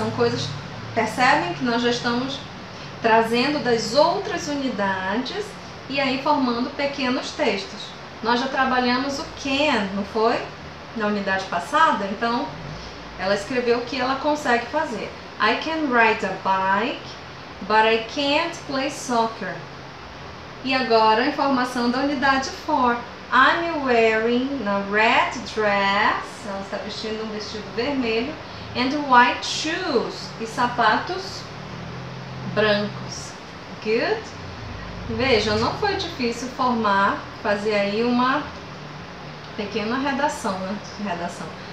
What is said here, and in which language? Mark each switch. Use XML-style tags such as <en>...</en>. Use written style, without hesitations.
<pt>São coisas, percebem que nós já estamos trazendo das outras unidades e aí formando pequenos textos. Nós já trabalhamos o can, não foi? Na unidade passada, então... Ela escreveu o que ela consegue fazer.</pt> <en>I can ride a bike, but I can't play soccer.</en> <pt>E agora a informação da unidade 4.</pt> <en>I'm wearing a red dress.</en> <pt>Ela está vestindo um vestido vermelho.</pt> <en>And white shoes.</en> <pt>E sapatos brancos. Good? Veja, não foi difícil formar, fazer aí uma pequena redação, né? Redação.</pt>